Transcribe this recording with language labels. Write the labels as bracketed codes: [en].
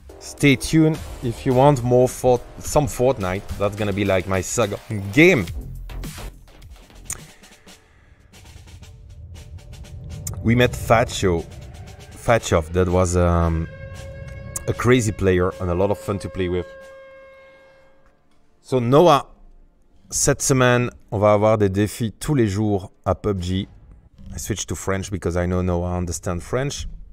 [en] Stay tuned if you want more for some Fortnite. That's gonna be like my saga game. We met Fatchov, that was a crazy player and a lot of fun to play with. [fr] So Noah, cette semaine, on va avoir des défis tous les jours à PUBG. [en] I switched to French because I know Noah understands French.